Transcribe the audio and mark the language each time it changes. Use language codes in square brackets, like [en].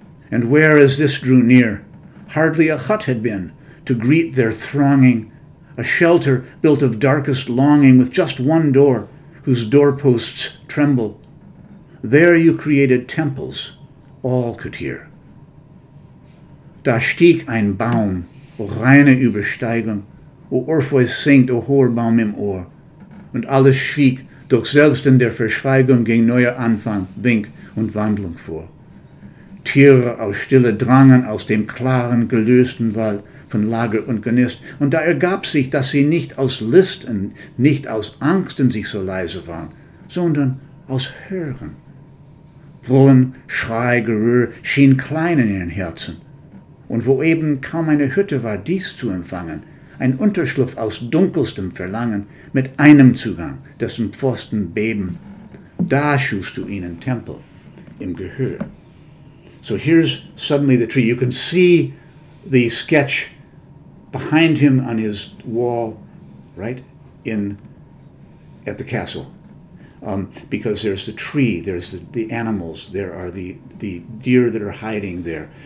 [en] And where, as this drew near, hardly a hut had been to greet their thronging, a shelter built of darkest longing with just one door, whose doorposts tremble. There you created temples all could hear. [de] Da stieg ein Baum, o reine Übersteigung, o Orpheus singt, o hoher Baum im Ohr, und alles schwieg, doch selbst in der Verschweigung ging neuer Anfang, Wink und Wandlung vor. Tiere aus Stille drangen aus dem klaren, gelösten Wald von Lager und Genist, und da ergab sich, dass sie nicht aus List und nicht aus Angst in sich so leise waren, sondern aus Hören. Brüllen, Schrei, Gerühr schien klein in ihren Herzen, und wo eben kaum eine Hütte war, dies zu empfangen, ein Unterschlupf aus dunkelstem Verlangen, mit einem Zugang, dessen Pfosten beben, da schufst du ihnen Tempel im Gehör. [en] So here's suddenly the tree. You can see the sketch behind him on his wall, right, at the castle. Because there's the tree, there's the animals, there are the deer that are hiding there.